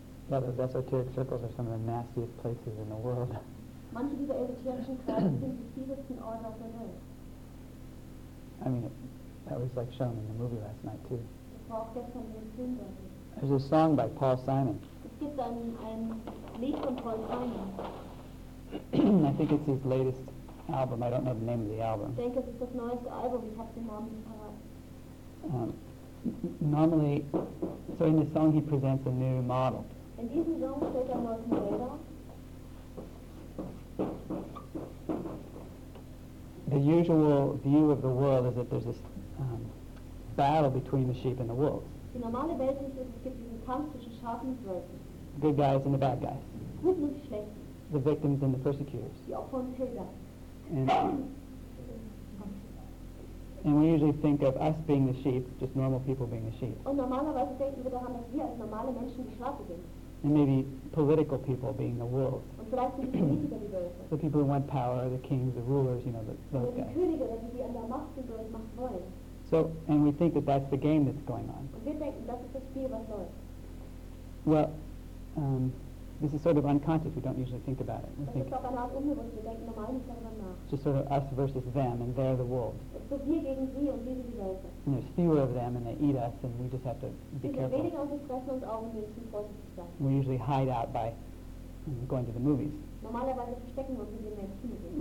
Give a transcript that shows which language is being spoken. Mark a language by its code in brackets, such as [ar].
[en] Yeah, those esoteric circles are some of the nastiest places in the world. [de] Manche dieser esoterischen Kreise sind die fiesesten Orte auf der Welt. [en] I mean, that was like shown in the movie last night too. [de] Das war auch gestern in dem Film deutlich. [en] There's a song by Paul Simon. [de] Es gibt ein Lied von Paul Simon. [en] I think it's his latest album. I don't know the name of the album. [de] Ich denke, es ist das neueste Album. Ich habe den Namen nicht parat. [en] Normally, so in the song he presents a new model. [de] In diesem Song stellt neues Modell dar. [en] The usual view of the world is that there's this battle between the sheep and the wolves. [de] Die normale Welt ist, es gibt diesen Kampf zwischen Schafen und Wölfen. [en] Good guys and the bad guys. [de] Guten und die Schlechten. [en] The victims and the persecutors. [de] Die Opfer und Täter. [en] And And we usually think of us being the sheep, just normal people being the sheep. [de] Und normalerweise denken wir daran, dass wir als normale Menschen die Schafe sind. [en] And maybe political people being the wolves. [de] Und vielleicht sind die Politiker die Wölfe. [en] The people who want power, the kings, the rulers, you know, those guys. [de] Oder die Könige, die an der Macht sind und Macht wollen. [en] So, and we think that that's the game that's going on. [de] Und wir denken, das ist das Spiel, was läuft. [en] Well, this is sort of unconscious. We don't usually think about it. We think it's just sort of us versus them, and they're the wolves. [de] So wir gegen sie und wir sind die Wölfe. [en] And there's fewer of them, and they eat us, and we just have to be careful. [de] Weniger, also fressen uns auch, und wir müssen vorsichtig sein. [en] We usually hide out by going to the movies. [de] Normalerweise verstecken wir uns, indem wir ins Kino gehen.